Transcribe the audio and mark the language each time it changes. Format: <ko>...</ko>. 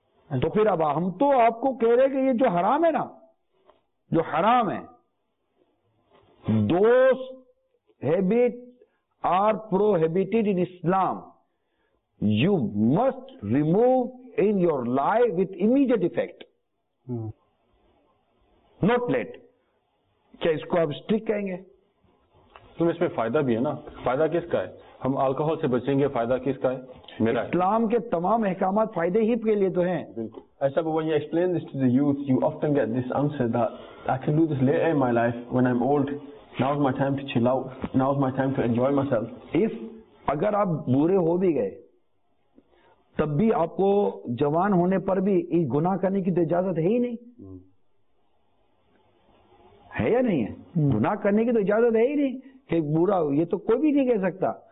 <ur>تو پھر اب ہم تو آپ کو کہہ رہے کہ یہ جو حرام ہے نا, جو حرام ہے, those habit are prohibited in Islam, you must remove in your life with immediate effect, note late. کیا اس کو آپ اسٹرک کہیں گے؟ تو اس میں فائدہ بھی ہے نا. فائدہ کس کا ہے؟ ہم الکوہل سے بچیں گے, فائدہ کس کا ہے؟ میرا اسلام کے تمام احکامات فائدے ہی کے لیے تو ہیں.</ur> <en>ایسا when you explain this to the youth, you often get this answer that I can do this later in my life when I'm old, now's my time to chill out, now's my time to enjoy myself.</en> <ur>If اگر آپ بوڑھے ہو بھی گئے تب بھی آپ کو جوان ہونے پر بھی یہ گناہ کرنے کی تو اجازت ہے ہی نہیں, ہے یا نہیں ہے؟ گناہ کرنے کی تو اجازت ہے ہی نہیں کہ بوڑھا ہو, یہ تو کوئی بھی نہیں کہہ سکتا.</ur>